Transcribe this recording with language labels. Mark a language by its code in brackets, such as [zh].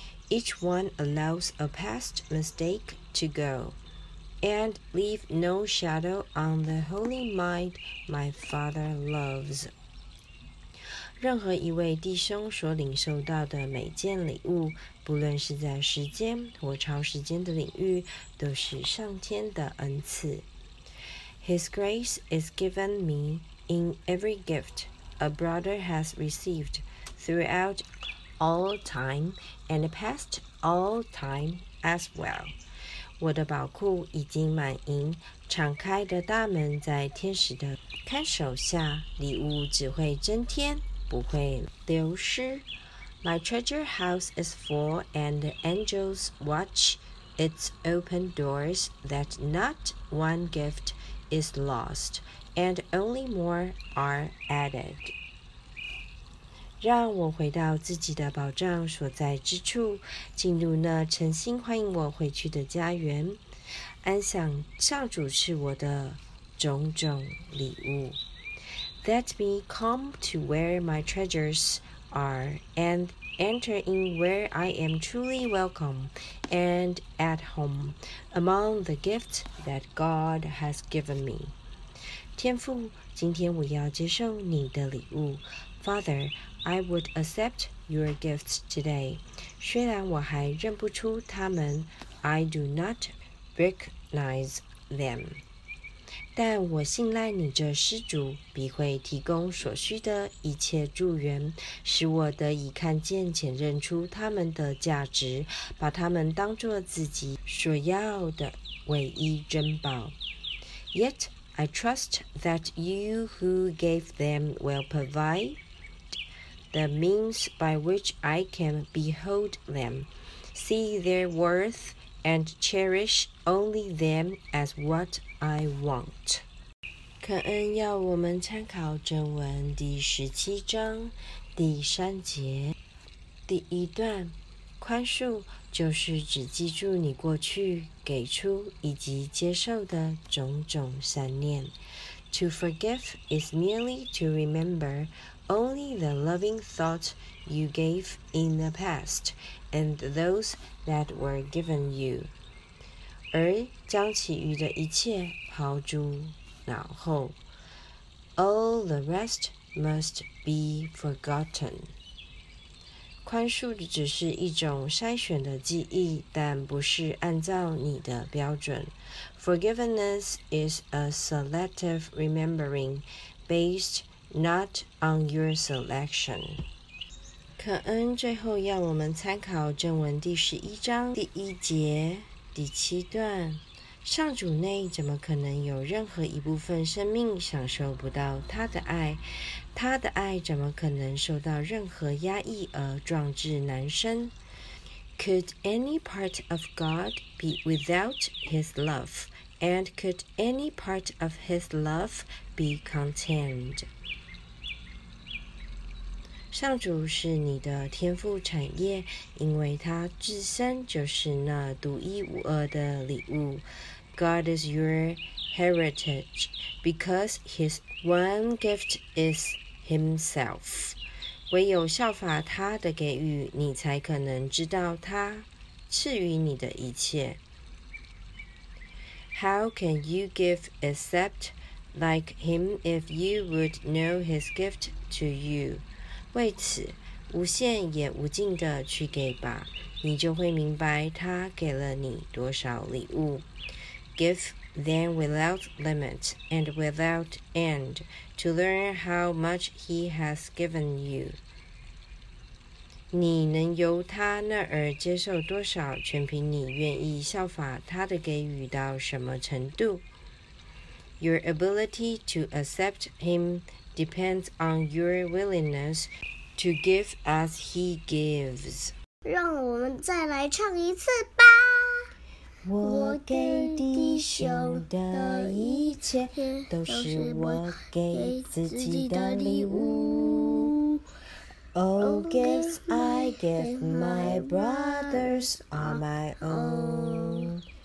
[en] Each one allows a past mistake to go, and leave no shadow on the holy mind my Father loves. [zh] 任何一位弟兄所领受到的每件礼物，不论是在时间或超时间的领域，都是上天的恩赐。 [en] His grace is given me in every gift a brother has received throughout all time and past all time as well. [zh] 我的宝库已经满盈，敞开的大门在天使的看守下，礼物只会增添，不会流失。 [en] My treasure house is full, and the angels watch its open doors that not one gift is lost. And only more are added. [zh] 让我回到自己的宝藏所在之处，进入那诚心欢迎我回去的家园，安享上主赐我的种种礼物。 [en] Let me come to where my treasures are and enter in where I am truly welcome and at home among the gifts that God has given me. [zh] 天父，今天我要接受你的礼物。 [en] Father, I would accept your gifts today. [zh] 虽然我还认不出他们 ， [en] I do not recognize them. [zh] 但我信赖你这施主，必会提供所需的一切助缘，使我得以看见且认出他们的价值，把他们当作自己所要的唯一珍宝。 [en] Yet. I trust that you who gave them will provide the means by which I can behold them, see their worth, and cherish only them as what I want. [zh] 感恩要我们参考正文第17章第三节第一段。宽恕就是只记住你过去给出以及接受的种种善念。 [en] To forgive is merely to remember only the loving thoughts you gave in the past and those that were given you. [zh] 而将其余的一切抛诸脑后。 [en] All the rest must be forgotten. [zh] 宽恕只是一种筛选的记忆，但不是按照你的标准。 [en] Forgiveness is a selective remembering based not on your selection. [zh] 可恩最后要我们参考正文第11章第一节第七段。上主内怎么可能有任何一部分生命享受不到他的爱？他的爱怎么可能受到任何压抑而壮志难伸？ [en] Could any part of God be without his love? And could any part of his love be contained? [zh] 上主是你的天父产业，因为他自身就是那独一无二的礼物。 [en] God is your heritage, because his one gift is himself. [zh] 唯有效法他的给予，你才可能知道他赐予你的一切。 [en] How can you give except like him if you would know his gift to you? [zh] 为此，无限也无尽的去给吧，你就会明白他给了你多少礼物。 [en] Give then without limit and without end to learn how much he has given you. [zh] 你能由他那儿接受多少，全凭你愿意效法他的给予到什么程度。 [en] Your ability to accept him depends on your willingness to give as he gives. [zh] 让我们再来唱一次吧。我给弟兄的一切都是我给自己的礼物。 [en] All gifts I give my brothers are my own.